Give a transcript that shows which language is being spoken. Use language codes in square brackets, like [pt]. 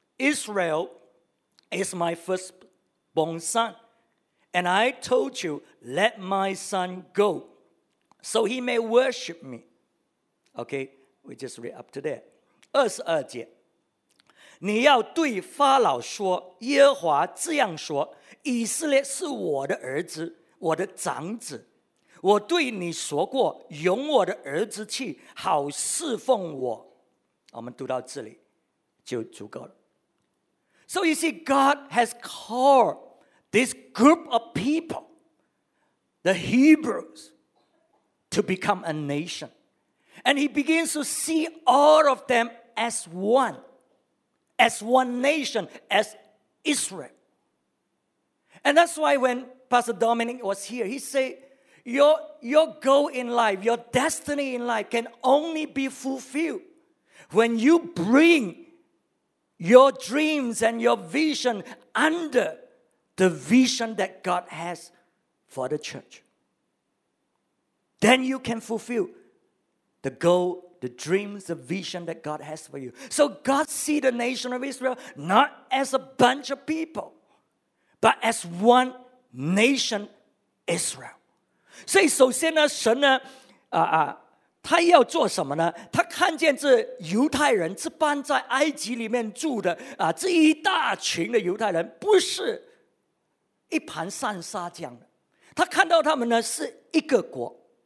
[en] Israel is my firstborn son, and I told you, let my son go, so he may worship me. Okay, we just read up to there. [zh] 22节，你要对法老说，耶和华这样说，以色列是我的儿子，我的长子。我对你说过，用我的儿子去，好侍奉我。我们读到这里就足够了。 [en] So you see, God has called this group of people, the Hebrews, to become a nation. And he begins to see all of them as one nation, as Israel. And that's why when Pastor Dominic was here, he said,Your goal in life, your destiny in life can only be fulfilled when you bring your dreams and your vision under the vision that God has for the church. Then you can fulfill the goal, the dreams, the vision that God has for you. So God sees the nation of Israel not as a bunch of people, but as one nation, Israel. [zh] 所以首先呢，神呢，他要做什么呢？他看见这犹太人，这般在埃及里面住的这一大群的犹太人，不是一盘散沙酱，他看到他们呢是一个国。